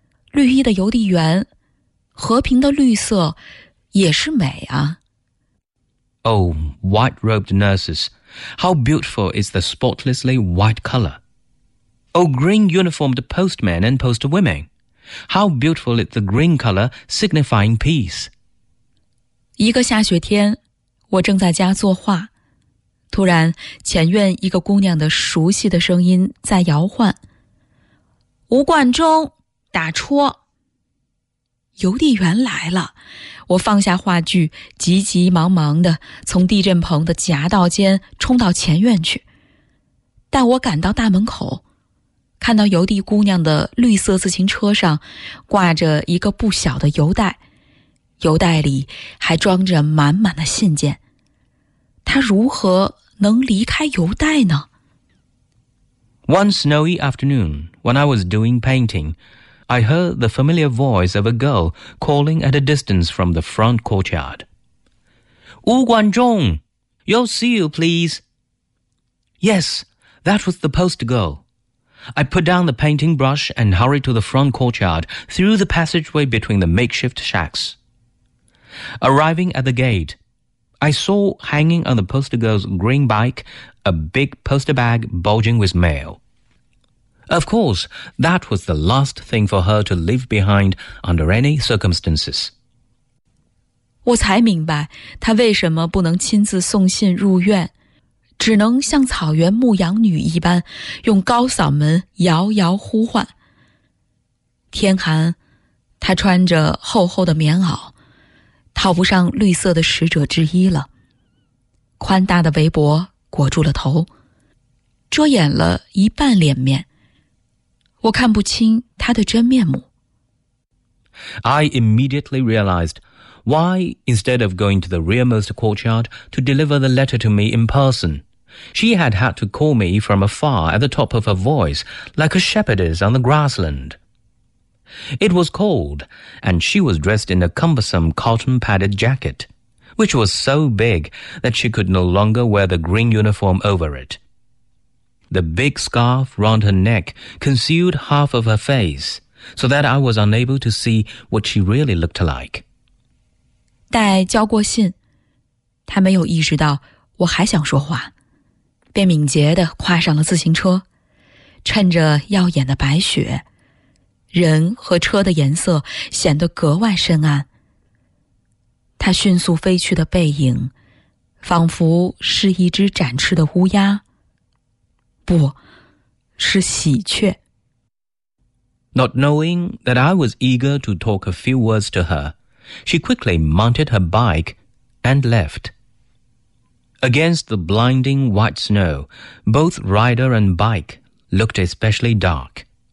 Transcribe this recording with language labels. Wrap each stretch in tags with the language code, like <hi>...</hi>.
<zh>绿衣的邮递员，和平的绿色也是美啊。</zh> <en>Oh, white-robed nurses, how beautiful is the spotlessly white color. Oh, green-uniformed postmen and postwomen, how beautiful is the green color signifying peace.</en> <zh>一个下雪天，我正在家作画，突然前院一个姑娘的熟悉的声音在摇唤，吴冠中打戳，邮递员来了。我放下画具，急急忙忙地从地震棚的夹道间冲到前院去。待我赶到大门口，看到邮递姑娘的绿色自行车上挂着一个不小的邮袋，邮袋里还装着满满的信件。他如何能离开邮袋呢？</zh> <en>One snowy afternoon, when I was doing painting, I heard the familiar voice of a girl calling at a distance from the front courtyard. 吴冠中, your seal, please. Yes, that was the post girl. I put down the painting brush and hurried to the front courtyard through the passageway between the makeshift shacks. Arriving at the gate, I saw hanging on the poster girl's green bike a big poster bag bulging with mail. Of course, that was the last thing for her to leave behind under any circumstances.</en> <zh>我才明白她为什么不能亲自送信入院，只能像草原牧羊女一般用高嗓门遥遥呼唤。天寒，她穿着厚厚的棉袄，套不上绿色的使者之衣了。宽大的围脖裹住了头，遮掩了一半脸面。我看不清她的真面目。</zh> <en>I immediately realized why, instead of going to the rearmost courtyard to deliver the letter to me in person, she had had to call me from afar at the top of her voice, like a shepherdess on the grassland. It was cold, and she was dressed in a cumbersome cotton-padded jacket, which was so big that she could no longer wear the green uniform over it. The big scarf round her neck concealed half of her face, so that I was unable to see what she really looked like.</en> <zh>待交过信，她没有意识到我还想说话，便敏捷地跨上了自行车，趁着耀眼的白雪，人和车的颜色显得格外深暗。他迅速飞去的背影，仿佛是一只展翅的乌鸦。不，是喜鹊。</zh> <en>Not knowing that I was eager to talk a few words to her, she quickly mounted her bike and left. Against the blinding white snow, both rider and bike looked especially dark.</en>